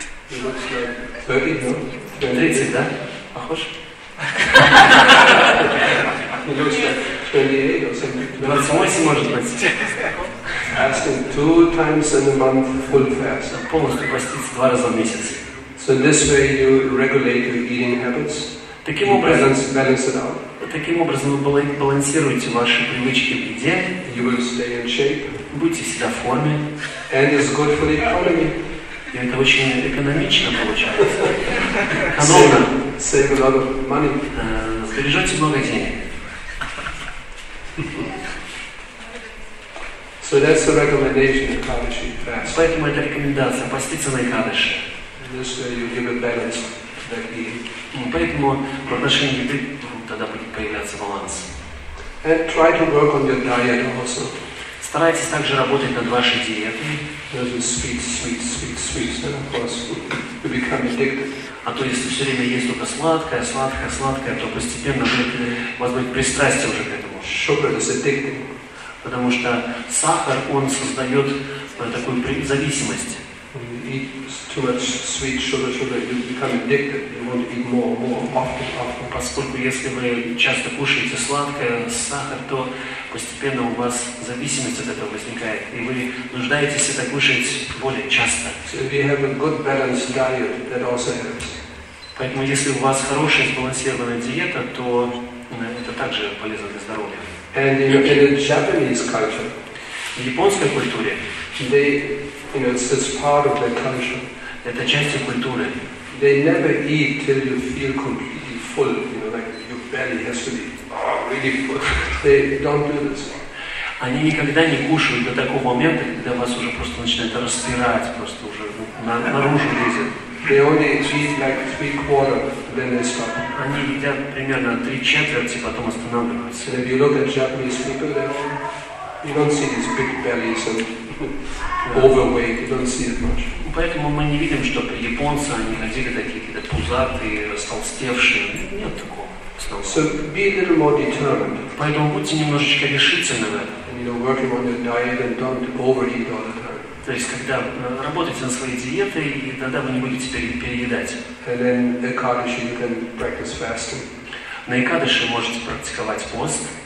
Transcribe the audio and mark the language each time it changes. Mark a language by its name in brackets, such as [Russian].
[English] He looks like 30, no? [Russian] 30, да? Похож? [English] He looks like 28 or something. [Russian] 28 может быть. [English] Fasting two times in a month, full fast. [Russian] Полностью поститься два раза в месяц. [English] So in this way you regulate your eating habits. [Russian] Таким образом, [English] balance it out. [Russian] Таким образом вы балансируете ваши привычки в еде. [English] You will stay in shape. [Russian] Будьте всегда в форме. [English] And it's good for the economy. [Russian] И это очень экономично получается. Экономно. [English] Save a lot of money. [Russian] Сбережете много денег. [English] So that's the recommendation of Ekadashi fast. [Russian] Поэтому это рекомендация поститься на Ekadashi. [English] This way you give a balance to that eating. [Russian] Поэтому в отношении еды тогда будет появляться баланс. [English] And try to work on your diet also. [Russian] Старайтесь также работать над вашей диетой. [English] Because it's sweet, sweet, sweet, sweet, then of course you become addicted. [Russian] А то если все время есть только сладкое, сладкое, сладкое, то постепенно будет, может быть, пристрастие уже к этому. [English] Sugar is addicting. [Russian] Потому что сахар, он создает такую зависимость. [English] When you eat too much sweet sugar, sugar, you become addicted. You want to eat more, more, often, often. [Russian] Поскольку если вы часто кушаете сладкое, сахар, то постепенно у вас зависимость от этого возникает. И вы нуждаетесь это кушать более часто. [English] So if you have a good balanced diet, that also helps. [Russian] Поэтому если у вас хорошая сбалансированная диета, то это также полезно для здоровья. [English] And in Japanese culture, [Russian] в японской культуре, [English] they, you know, it's part of their culture. [Russian] Это часть культуры. [English] They never eat till you feel completely full, you know, like your belly has to be really full. They don't do this. [Russian] Они никогда не кушают до такого момента, когда вас уже просто начинает распирать, просто уже наружу лезет. [English] They only eat like 3/4, then they stop. [Russian] Они едят примерно 3/4, потом останавливаются. [English] And if you look at Japanese people, then you don't see these big bellies and overweight. You don't see it much. [Russian] Поэтому мы не видим, что японцы они ходили такие какие-то пузатые, растолстевшие. Нет такого. [English] So be a little more determined. [Russian] Поэтому будьте немножечко решительными. [English] And you know, working on your diet and don't overeat all the time. [Russian] То есть, когда работаете над своей диетой, и тогда вы не будете переедать. На Экадаши можете практиковать пост.